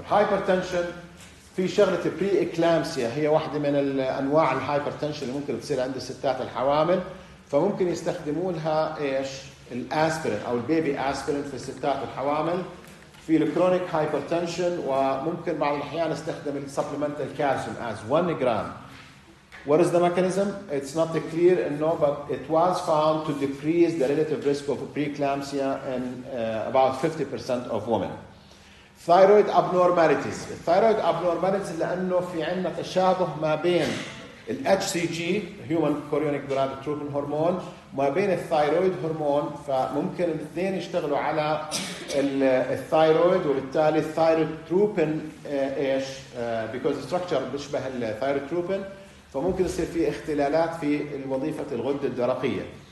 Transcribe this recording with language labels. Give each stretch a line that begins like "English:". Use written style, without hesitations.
Arabic: الهايبرتنشن في شغلة بري إكلامسيا هي واحدة من الأنواع الهايبرتنشن اللي ممكن تصير عند الستات الحوامل فممكن يستخدمونها إيش الأسبرين أو البيبي أسبرين في الستات الحوامل في الكرونيك هايبرتنشن وممكن بعض الأحيان نستخدم السبليمنتال كالسيوم as 1 جرام.
English: What is the mechanism? It's not clear enough, but it was found to decrease the relative risk of preeclampsia in about 50% of women. Thyroid abnormalities.
Arabic: Thyroid abnormalities لأنه في عنا تشابه ما بين ال HCG human chorionic gonadotropin hormone ما بين الثايرويد هرمون فممكن الاثنين يشتغلوا على الثايرويد وبالتالي الثايروتروبين إيش
English: because the structure
Arabic: بيشبه الثايروتروبين فممكن يصير في اختلالات في وظيفة الغدة الدرقية.